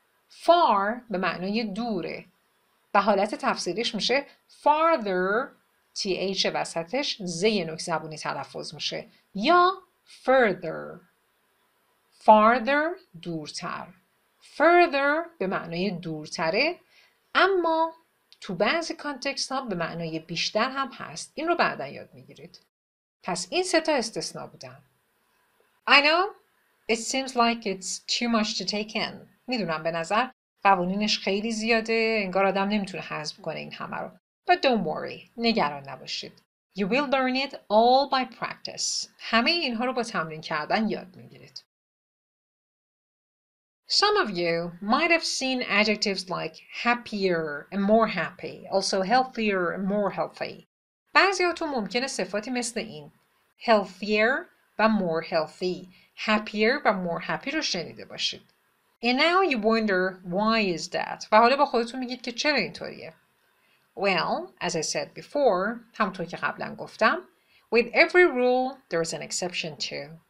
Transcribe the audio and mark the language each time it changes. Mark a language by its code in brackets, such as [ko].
[fa] far به معنای دوره و حالت تفسیریش میشه farther، th وسطش ز نوک زبونی تلفظ میشه، یا further. farther دورتر. further به معنای دورتره اما تو بعضی کانتکست ها به معنای بیشتر هم هست. این رو بعدا یاد میگیرید. پس این سه تا استثناء بودن. [en] I know it seems like it's too much to take in. [fa] میدونم به نظر قوانینش خیلی زیاده، انگار آدم نمیتونه حذف کنه این همه رو. [en] But don't worry. [fa] نگران نباشید. [en] You will learn it all by practice. [fa] همه اینها رو با تمرین کردن یاد میگیرید. [en] Some of you might have seen adjectives like happier and more happy, also healthier and more healthy. [fa] بعضیاتون ممکنه صفاتی مثل این healthier و more healthy، happier و more happy رو شنیده باشید. [en] And now you wonder why is that؟ [fa] و حالا با خودتون میگید که چرا اینطوریه؟ [en] Well, as I said before، [fa] همونطور که قبلا گفتم، [en] with every rule there is an exception too.